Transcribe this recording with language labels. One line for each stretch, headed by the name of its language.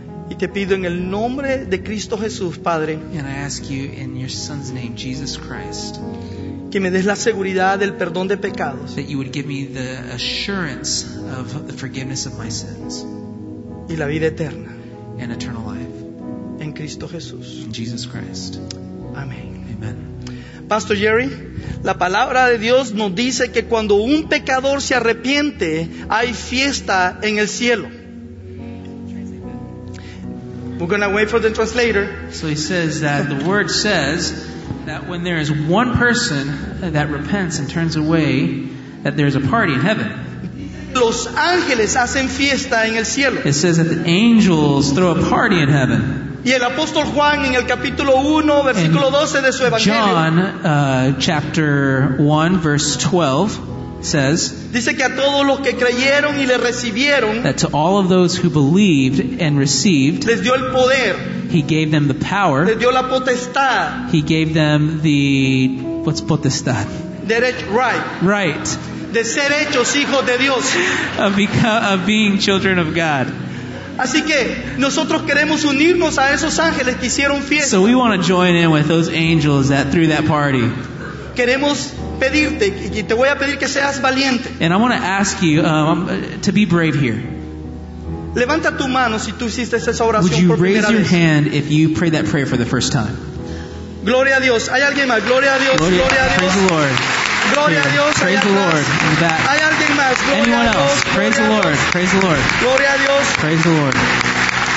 Spanish: Y te pido en el nombre de Cristo Jesús, Padre.
English: And I ask you in your son's name, Jesus Christ.
Spanish: Que me des la seguridad del perdón de pecados.
English: That you would give me the assurance of the forgiveness of my sins.
Spanish: Y la vida eterna.
English: And eternal life.
Spanish: En Cristo Jesús.
English: In Jesus Christ.
Spanish: Amén.
English: Amen.
Spanish: Pastor Jerry, la palabra de Dios nos dice que cuando un pecador se arrepiente, hay fiesta en el cielo.
English: We're going to wait for the translator. So he says that the word says that when there is one person that repents and turns away, that there is a party in heaven.
Spanish: Los ángeles hacen fiesta en el cielo.
English: It says that the angels throw a party in heaven.
Spanish: Y el apóstol Juan en el capítulo 1, versículo 12 de su evangelio.
English: John, chapter 1, verse 12 says,
Spanish: dice que a todos los que creyeron y le recibieron,
English: that to all of those who believed and received,
Spanish: les dio el poder,
English: he gave them the power,
Spanish: les dio la potestad,
English: he gave them the, what's potestad?
Spanish: Right. De ser hechos hijos de Dios.
English: Of being children of God.
Spanish: Así que nosotros queremos unirnos a esos ángeles que hicieron fiesta.
English: So we want to join in with those angels that threw that party.
Spanish: Queremos pedirte y te voy a pedir que seas valiente.
English: And I want to ask you to be brave here.
Spanish: Levanta tu mano si tú hiciste esa oración por primera vez.
English: Would you raise your hand if you prayed that prayer for the first time?
Spanish: Gloria a Dios. Hay alguien más. Gloria a Dios. Gloria a Dios.
English: Praise the Lord.
Spanish: Gloria a Dios.
English: Praise the Lord.
Spanish: Hay alguien más.
English: Anyone else? Praise the Lord. Praise the Lord.
Spanish: Gloria a Dios.
English: Praise the Lord.